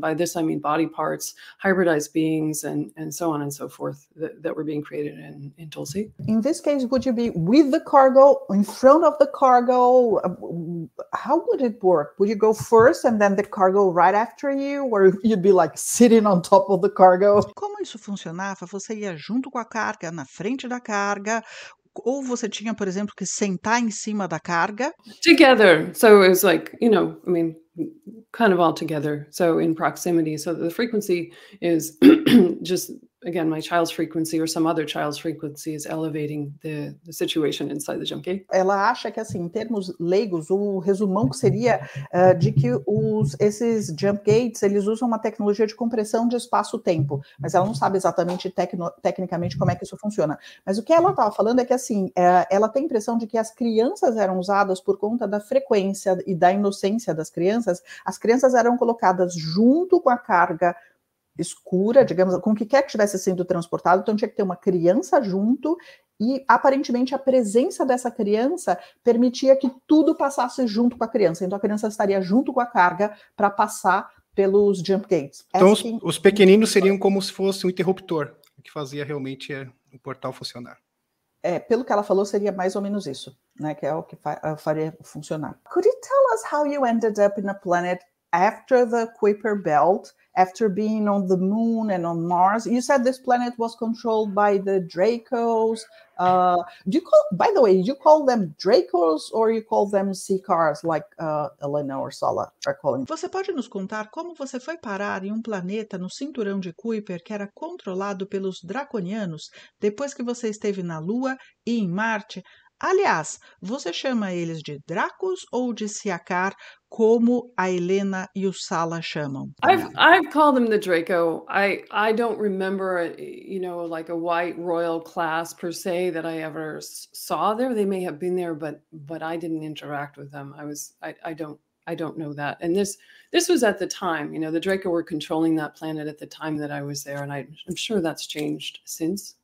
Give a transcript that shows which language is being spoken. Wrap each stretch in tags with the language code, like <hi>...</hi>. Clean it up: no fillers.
<en>And by this, I mean body parts, hybridized beings, and so on and so forth that were being created in Dulce. In this case, would you be with the cargo, in front of the cargo? How would it work? Would you go first and then the cargo right after you? Or you'd be like sitting on top of the cargo?</en> <pt>Como isso funcionava? Você ia junto com a carga, na frente da carga, ou você tinha, por exemplo, que sentar em cima da carga?</pt> <en>Together. So it was like, kind of all together. So in proximity. So the frequency is just again, my child's frequency or some other child's frequency is elevating the situation inside the junkie.</en> <pt>Ela acha que, assim, em termos leigos, o resumão que seria de que esses jump gates, eles usam uma tecnologia de compressão de espaço-tempo, mas ela não sabe exatamente tecnicamente como é que isso funciona. Mas o que ela estava falando é que, assim, ela tem a impressão de que as crianças eram usadas por conta da frequência e da inocência das crianças. As crianças eram colocadas junto com a carga escura, digamos, com o que quer que tivesse sendo transportado, então tinha que ter uma criança junto, e aparentemente a presença dessa criança permitia que tudo passasse junto com a criança, então a criança estaria junto com a carga para passar pelos jump gates. Então os pequeninos seriam como se fosse um interruptor, que fazia realmente o portal funcionar. É, pelo que ela falou, seria mais ou menos isso, né, que é o que faria funcionar.</pt> <en>Could you tell us how you ended up in a planet after the Kuiper Belt? After being on the moon and on Mars, you said this planet was controlled by the Dracos. By the way, do you call them Dracos or you call them Sikars, like Elena or Sala are calling?</en> <pt>Você pode nos contar como você foi parar em um planeta no cinturão de Kuiper que era controlado pelos draconianos depois que você esteve na Lua e em Marte? Aliás, você chama eles de Dracos ou de Siakar, como a Elena e o Sala chamam?</pt> <en>I've called them the Draco. I don't remember, you know, like a white royal class per se that I ever saw there. They may have been there, but I didn't interact with them. I don't know that. And this was at the time, you know, the Draco were controlling that planet at the time that I was there, and I'm sure that's changed since.</en>